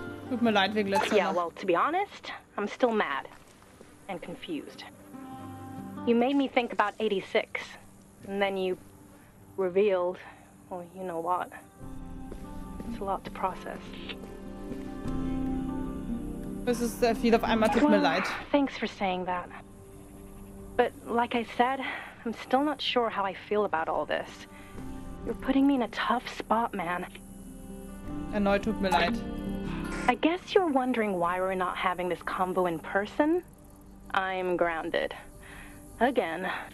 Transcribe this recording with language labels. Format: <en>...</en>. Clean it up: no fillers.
<de>Tut mir leid wegen letzter Nacht.</de> <en>Yeah, well, to be honest, I'm still mad and confused. You made me think about 86, and then you revealed, well, you know what. It's a lot to process.</en> <de>Es ist sehr viel auf einmal, tut mir leid.</de> <en>Thanks for saying that. But like I said, I'm still not sure how I feel about all this. You're putting me in a tough spot, man.</en> <de>Erneut tut mir leid.</de> <en>I guess you're wondering why we're not having this convo in person. I'm grounded. Again.</en>